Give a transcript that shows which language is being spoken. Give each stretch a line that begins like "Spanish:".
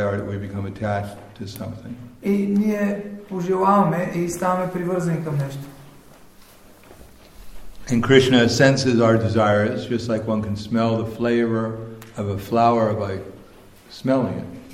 English: We become attached to something.
Bulgarian: И ние пожелаваме и ставаме привързани към нещо.
English: And Krishna senses our desires just like one can smell the flavor of a flower by smelling it.